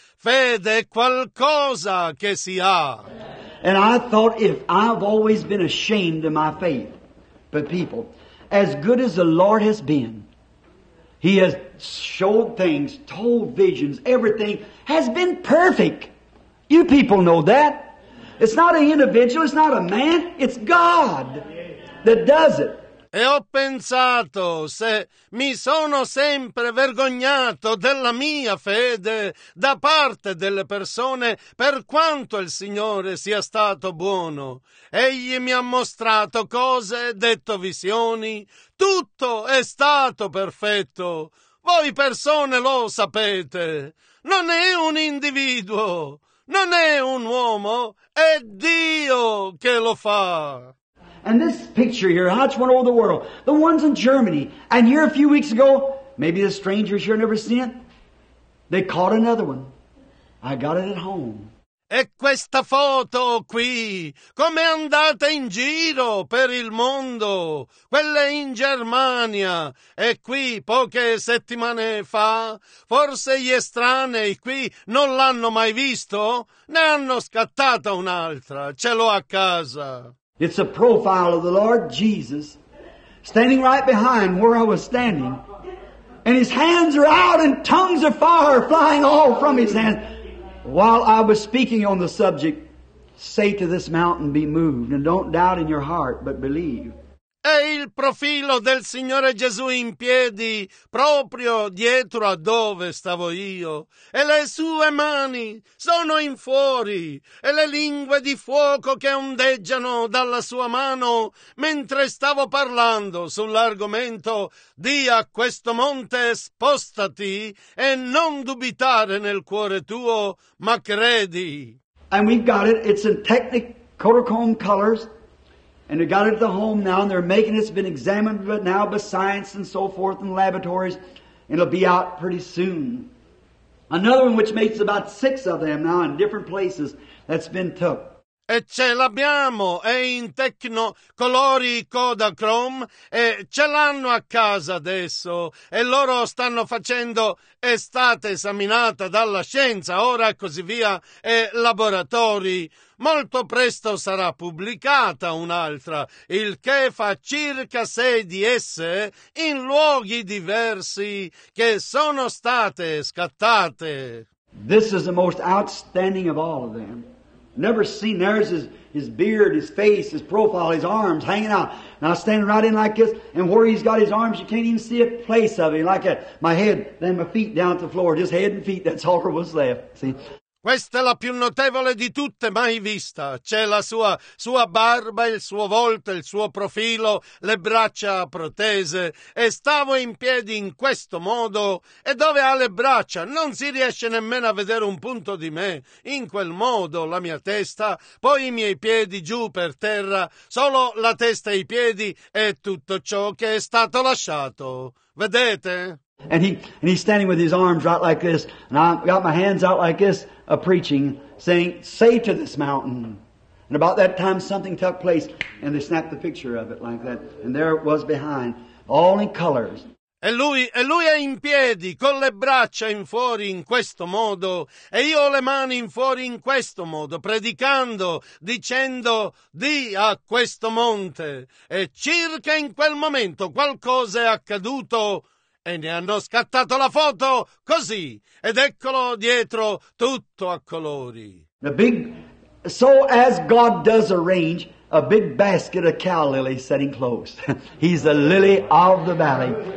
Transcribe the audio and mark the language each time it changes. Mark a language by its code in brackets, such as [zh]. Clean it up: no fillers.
[it] Fede è qualcosa che si ha. [en] And I thought, if I've always been ashamed of my faith, but people, as good as the Lord has been, He has showed things, told visions, everything has been perfect. You people know that. It's not an individual, it's not a man, it's God that does it. [it] E ho pensato, se mi sono sempre vergognato della mia fede da parte delle persone per quanto il Signore sia stato buono. Egli mi ha mostrato cose, detto visioni, tutto è stato perfetto. Voi persone lo sapete, non è un individuo, non è un uomo, è Dio che lo fa. [en] And this picture here, how it's went over the world. The ones in Germany. And here a few weeks ago, maybe the strangers here never seen it. They caught another one. I got it at home. [it] E questa foto qui, come andate in giro per il mondo? Quella in Germania. E qui poche settimane fa, forse gli estranei qui non l'hanno mai visto. Ne hanno scattata un'altra. Ce l'ho a casa. [en] It's a profile of the Lord Jesus standing right behind where I was standing. And His hands are out and tongues of fire flying all from His hands. While I was speaking on the subject, say to this mountain, be moved. And don't doubt in your heart, but believe. [it] È il profilo del Signore Gesù in piedi, proprio dietro a dove stavo io. E le sue mani sono in fuori, e le lingue di fuoco che ondeggiano dalla sua mano. Mentre stavo parlando sull'argomento, di a questo monte spostati e non dubitare nel cuore tuo, ma credi. [en] And we got it, it's in Technicolor colors. And they got it at the home now, and they're making it. It's been examined but now by science and so forth in laboratories. It'll be out pretty soon. Another one which makes about six of them now in different places that's been took. [it] E ce l'abbiamo, è in Tecno Colori Kodachrom, e ce l'hanno a casa adesso, e loro stanno facendo, è stata esaminata dalla scienza, ora così via, e laboratori. Molto presto sarà pubblicata un'altra, il che fa circa 6 di esse in luoghi diversi che sono state scattate. [en] This is the most outstanding of all of them. Never seen, there's his beard, his face, his profile, his arms hanging out. Now standing right in like this, and where he's got his arms, you can't even see a place of it. Like my head, then my feet down at the floor, just head and feet, that's all there was left, see? [it] Questa è la più notevole di tutte mai vista. C'è la sua barba, il suo volto, il suo profilo, le braccia protese. E stavo in piedi in questo modo. E dove ha le braccia? Non si riesce nemmeno a vedere un punto di me. In quel modo la mia testa, poi i miei piedi giù per terra. Solo la testa e i piedi e tutto ciò che è stato lasciato. Vedete? [en] And he's standing with his arms right like this, and I've got my hands out like this, preaching, saying, say to this mountain. And about that time something took place, and they snapped the picture of it like that, and there it was behind, all in colors. [it] E lui è in piedi, con le braccia in fuori in questo modo, e io ho le mani in fuori in questo modo, predicando, dicendo di a questo monte. E circa in quel momento qualcosa è accaduto. E ne hanno scattato la foto così, ed eccolo dietro tutto a colori. [en] So as God does arrange, a big basket of calla lily sitting close. He's the lily of the valley.